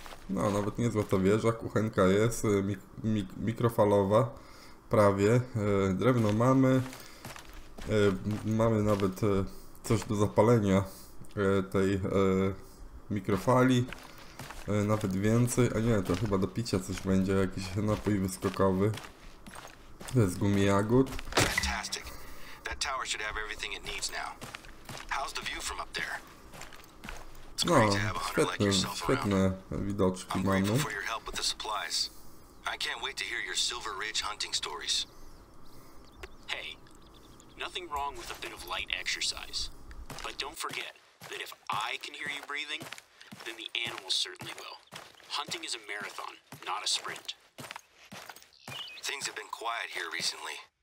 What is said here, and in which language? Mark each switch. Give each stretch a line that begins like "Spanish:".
Polish: No, nawet niezła ta wieża. Kuchenka jest mikrofalowa. Prawie. Drewno mamy. Mamy nawet coś do zapalenia tej mikrofali, nawet więcej, a nie, to chyba do picia coś będzie, jakiś napój wyskokowy z gumy jagód.
English: Fantastic. That tower should have everything it needs now. How's the view from up there?
Polish: No, świetne widoczki mamy.
English: For your help with the supplies. I can't wait to hear your Silver Ridge hunting stories. Hey, nothing wrong with a bit of light exercise, but don't forget that if I can hear you breathing, then the animals certainly will. Hunting is a marathon, not a sprint. Things have been quiet here recently.